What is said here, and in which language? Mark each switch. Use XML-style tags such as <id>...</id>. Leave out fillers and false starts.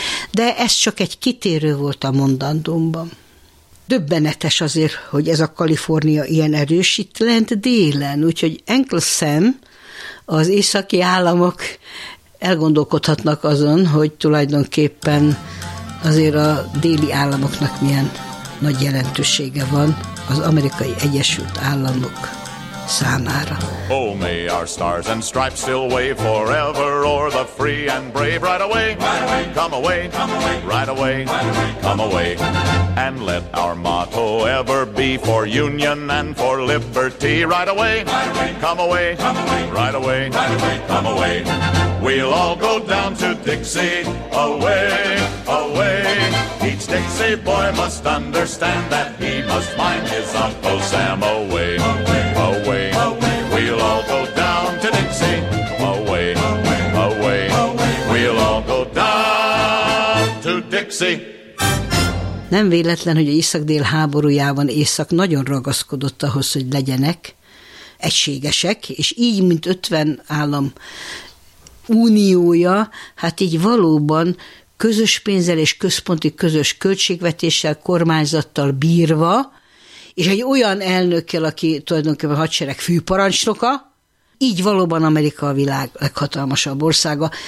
<hu>De ez csak egy kitérő volt a mondandómban. Döbbenetes azért, hogy ez a Kalifornia ilyen erős itt lent délen, úgyhogy Uncle Sam, az északi államok elgondolkodhatnak azon, hogy tulajdonképpen azért a déli államoknak milyen nagy jelentősége van az Amerikai Egyesült Államok számára.</hu> <en>Oh, may our stars and stripes still wave forever o'er the free and brave. Right away, right away, come away, come away, right away, right away, come away. And let our motto ever be for union and for liberty. Right away, right away, come away, come away, right away, right away, come away. We'll all go down to Dixie, away, away. Each Dixie boy must understand that he must mind his Uncle Sam. Away, away, away, we'll all go down to Dixie. Away, away, away, we'll all go down to Dixie.</en> <hu>Nem véletlen, hogy a Észak-Dél háborújában Észak nagyon ragaszkodott ahhoz, hogy legyenek egységesek, és így, mint 50 állam uniója, hát így valóban közös pénzzel és központi közös költségvetéssel, kormányzattal bírva, és egy olyan elnökkel, aki tulajdonképpen a hadsereg főparancsnoka, így valóban Amerika a világ leghatalmasabb országa.</hu>